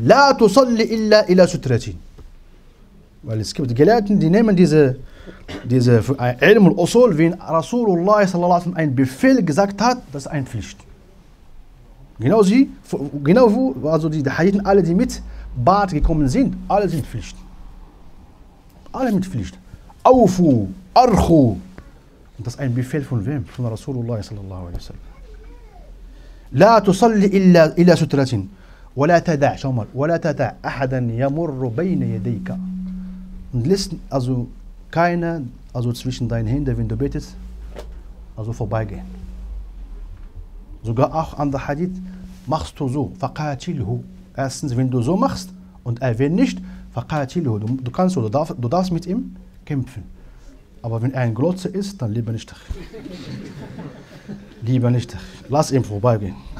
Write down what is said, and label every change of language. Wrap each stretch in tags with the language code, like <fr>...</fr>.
<ar>La tusalli illa ila sutratin.</ar> <de>Weil es gibt Gelehrten, die nehmen diese Ilm al-Usul, wenn Rasulullah sallallahu alaihi wa sallam ein Befehl gesagt hat, das ist eine Pflicht. Genau sie, genau wo, also die Hadithen, alle, die mit Bad gekommen sind, alle sind Pflicht. Alle mit Pflicht. Aufu, Archu. Und das ist ein Befehl von wem? Von Rasulullah sallallahu alaihi wa sallam.</de> <ar>لا تصلي إلا سترة ولا تدع شو مال ولا تدع أحدا يمر بين يديك.</ar> <de>Und lässt also keine also zwischen deinen Händen, wenn du betest, also vorbeigehen. Sogar auch an der Hadith machst du so.</de> <ar>فقاتله.</ar> <de>Erstens, wenn du so machst und er will nicht, فقاتله. Du kannst oder du darfst mit ihm kämpfen. Aber wenn er ein Glotze ist, dann lieber nicht. Lieber nicht. Lass ihm vorbeigehen.</de>